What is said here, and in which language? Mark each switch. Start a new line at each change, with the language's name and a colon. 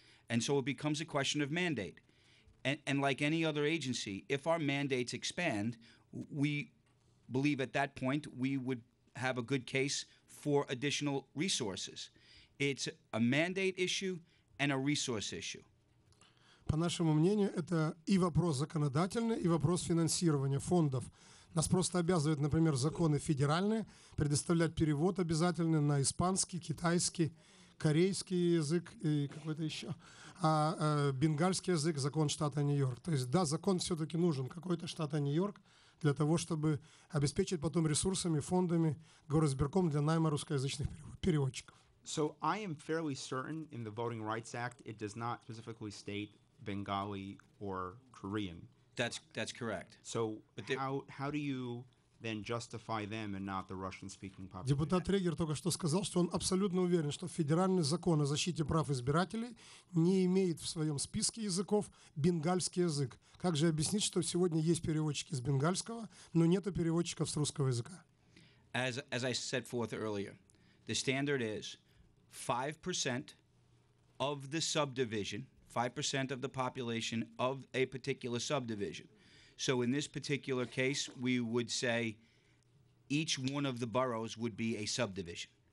English: And so it becomes a question of mandate. And like any other agency, if our mandates expand, we believe at that point we would have a good case for additional resources. It's a mandate issue and a resource issue.
Russian: По нашему мнению, это и вопрос законодательный, и вопрос финансирования фондов. Нас просто обязывают, например, законы федеральные предоставлять перевод обязательный на испанский, китайский, корейский язык и какой-то еще. А бенгальский язык – закон штата Нью-Йорк. То есть, да, закон все-таки нужен какой-то штата Нью-Йорк для того, чтобы обеспечить потом ресурсами, фондами, горосберком для найма русскоязычных переводчиков.
English: So I am fairly certain in the Voting Rights Act it does not specifically state Bengali or Korean. That's correct. So how do you then justify them and not the Russian-speaking population?
Russian: Депутат Трегер только что сказал, что он абсолютно уверен, что федеральный закон о защите прав избирателей не имеет в своем списке языков бенгальский язык. Как же объяснить, что сегодня есть переводчики с бенгальского, но нет переводчиков с русского языка?
English: As I set forth earlier, the standard is 5% of the subdivision, 5% of the population of a particular subdivision. So in this particular case, we would say each one of the boroughs would be a subdivision.